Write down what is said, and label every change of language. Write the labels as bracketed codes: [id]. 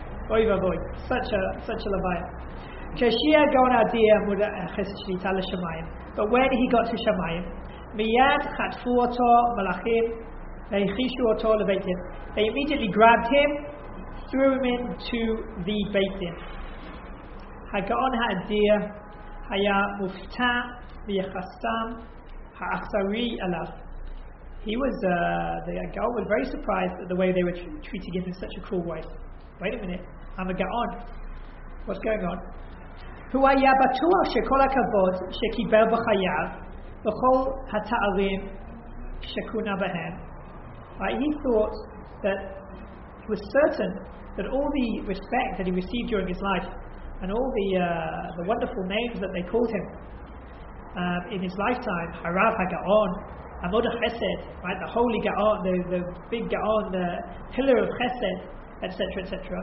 [he] Oy vavoy, [en] such a [he] levaya. Keshia gaon adir muda chesed shlita l'shamayim. [en] But when he got to Shamayim, [he] miyad chatfu oto malachim veichishu oto lebeit din. [en] They immediately grabbed him, threw him into the beit din. [he] Hagaon adir היה מופתע ביחסם האחרי אליו. [en] He was the Gaon was very surprised at the way they were treating him in such a cruel way. Wait a minute, I'm a Gaon. What's going on? Who [he] היה בטוח שכל הכבוד שקיבל בחייו בכל התארים שכונה בהם. [en] Right, he thought that he was certain that all the respect that he received during his life and all the wonderful names that they called him in his lifetime, Harav HaGaon, Amod HaChesed, right, the Holy Gaon, the Big Gaon, the Pillar of Chesed, etc., etc.